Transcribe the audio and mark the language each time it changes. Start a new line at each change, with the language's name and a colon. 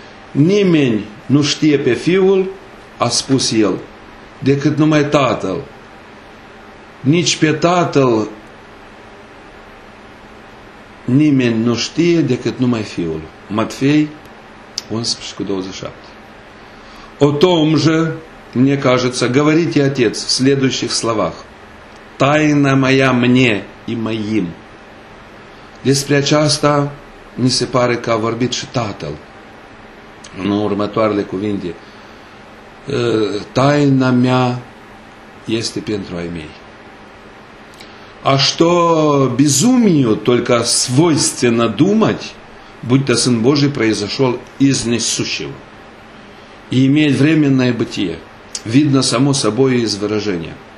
Romanian: Nimeni nu știe pe Fiul, a spus el, decât numai Tatăl. Nici pe Tatăl nimeni nu știe decât numai Fiul. Matfei 11:27.
Russian: O том же, мне кажется, говорит и Отец в следующих словах. taina mea mne și măim.
Romanian: Despre aceasta mi se pare că a vorbit și Tatăl în următoarele cuvinte. Taina mea este pentru ai mei.
Russian: А что безумию только свойственно думать, будто Сын Божий произошел из несущего и имеет временное бытие, видно само собой из выражения.